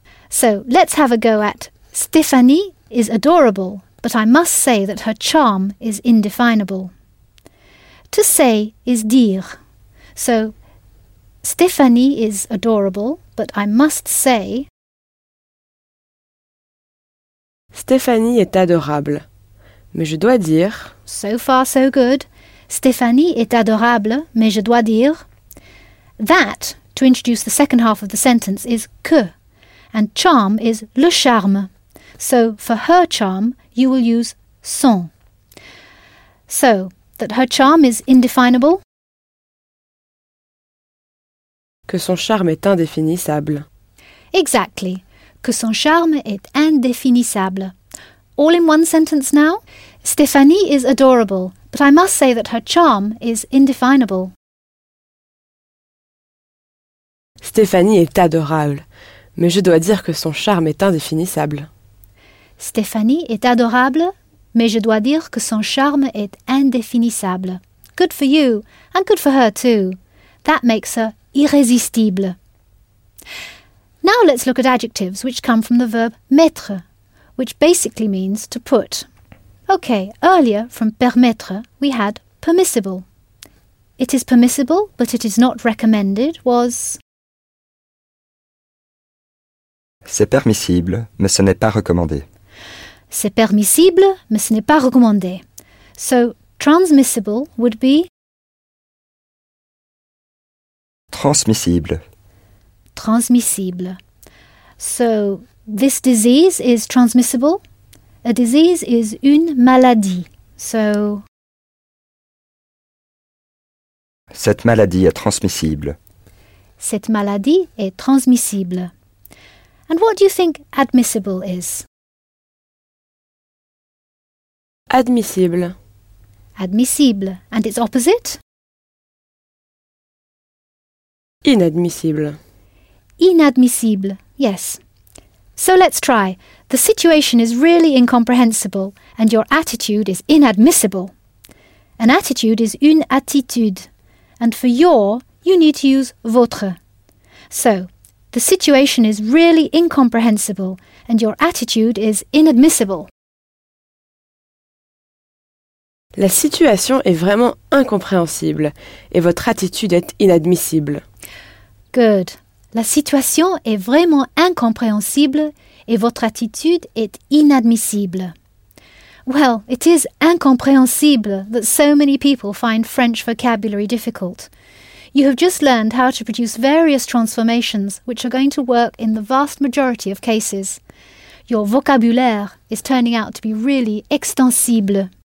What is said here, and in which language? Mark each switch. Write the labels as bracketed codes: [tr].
[en] So let's have a go at Stéphanie is adorable, but I must say that her charm is indefinable. To say is dire. So Stéphanie is adorable, but I must say [fr] Stéphanie est adorable. Mais je dois dire... [en] So far, so good. [fr] Stéphanie est adorable, mais je dois dire... [en] That, to introduce the second half of the sentence, is que. And charm is le charme. So, for her charm, you will use son. So, that her charm is indefinable? [fr] Que son charme est indéfinissable. [en] Exactly. [fr] Que son charme est indéfinissable. [en] All in one sentence now? Stéphanie is adorable, but I must say that her charm is indefinable. [fr] Stéphanie est adorable, mais je dois dire que son charme est indéfinissable. Stéphanie est adorable, mais je dois dire que son charme est indéfinissable. [en] Good for you, and good for her too. That makes her irrésistible. Now let's look at adjectives which come from the verb mettre, which basically means to put. Okay, earlier from permettre, we had permissible. It is permissible, but it is not recommended was... [fr] C'est permissible, mais ce n'est pas recommandé. C'est permissible, mais ce n'est pas recommandé. [en] So, transmissible would be... [fr] Transmissible. Transmissible. [en] So, this disease is transmissible. A disease is une maladie. So... [fr] Cette maladie est transmissible. Cette maladie est transmissible. [en] And what do you think admissible is? [fr] Admissible. [en] Admissible. And its opposite? [fr] Inadmissible. [en] Inadmissible. Yes. So let's try. The situation is really incomprehensible and your attitude is inadmissible. An attitude is une attitude. And for your, you need to use votre. So, the situation is really incomprehensible and your attitude is inadmissible. [fr] La situation est vraiment incompréhensible et votre attitude est inadmissible. [en] Good. [fr] La situation est vraiment incompréhensible et votre attitude est inadmissible. [en] Well, it is incompréhensible that so many people find French vocabulary difficult. You have just learned how to produce various transformations which are going to work in the vast majority of cases. Your vocabulaire is turning out to be really extensible.